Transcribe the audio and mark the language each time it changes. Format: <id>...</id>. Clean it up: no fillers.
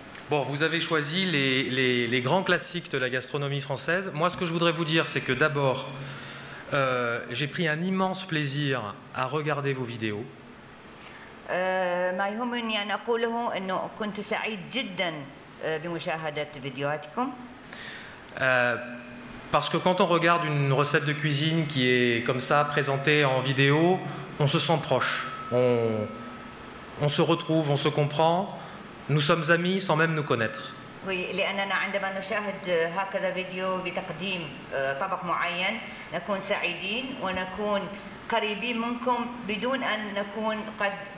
<fr>Bon, vous avez choisi les grands classiques de la gastronomie française. Moi, ce que je voudrais vous dire, c'est que d'abord, j'ai pris un immense plaisir à regarder vos vidéos.</fr> <ar>ما يهمني أن أقوله إنه كنت سعيد جدا بمشاهدة فيديوهاتكم.</ar> <fr>Parce que quand on regarde une recette de cuisine qui est comme ça présentée en vidéo, on se sent proche. On se retrouve, on se comprend. Nous sommes amis sans même nous connaître. Oui,</fr> <ar>لأننا عندما نشاهد هكذا فيديو بتقديم طبق معين نكون سعيدين ونكون قريبين منكم بدون أن نكون قد</ar>